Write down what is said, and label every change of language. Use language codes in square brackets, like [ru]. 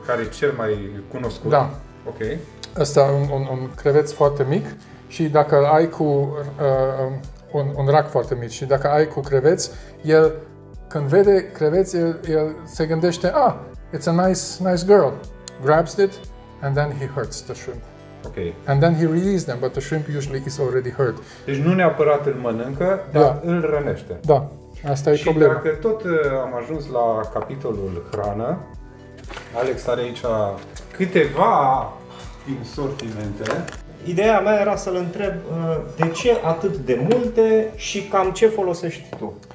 [ro] Care e cel mai cunoscut. Da. Ok. Ăsta e un creveț foarte mic și dacă ai cu un rac foarte mic și dacă ai cu creveț, el când vede creveț, el se gândește, [en] it's a nice girl. Grabs it and then he hurts the shrimp. Ok. And then he releases them, but the shrimp usually is already hurt. [ro] Deci nu neapărat îl mănâncă, dar îl rănește. Da. Asta e problema. Și dacă tot am ajuns la capitolul hrană, Alex are aici câteva din sortimente. Ideea mea era să-l întreb de ce atât de multe și cam ce folosești tu.